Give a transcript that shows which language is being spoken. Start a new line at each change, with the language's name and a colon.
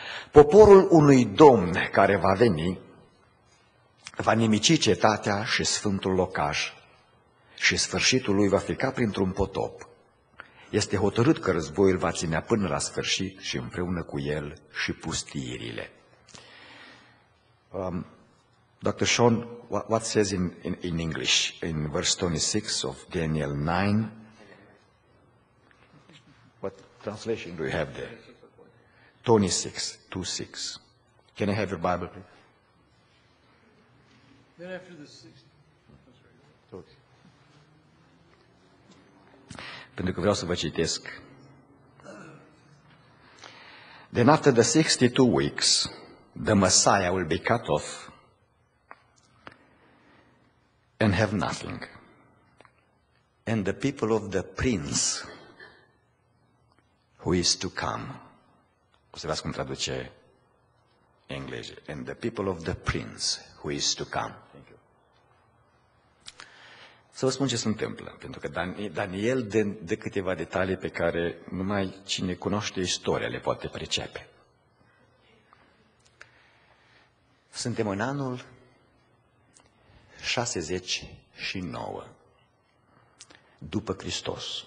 Romanian: Poporul unui domn care va veni va nimici cetatea și sfântul locaș și sfârșitul lui va fi ca printr-un potop. Este hotărât că războiul va ținea până la sfârșit și împreună cu el și pustiirile.
English: Dr. Sean, what says in English in verse 26 of Daniel 9? What translation do you have there? 26:26. Can I have your Bible, please? Then after the sixth.
Romanian: Pentru că vreau să vă citesc.
English: Then after the 62 weeks, the Messiah will be cut off and have nothing. And the people of the prince who is to come.
Romanian: Observați cum traduce engleză.
English: And the people of the prince who is to come.
Romanian: Să vă spun ce se întâmplă, pentru că Daniel dă câteva detalii pe care numai cine cunoaște istoria le poate percepe. Suntem în anul 69 după Hristos.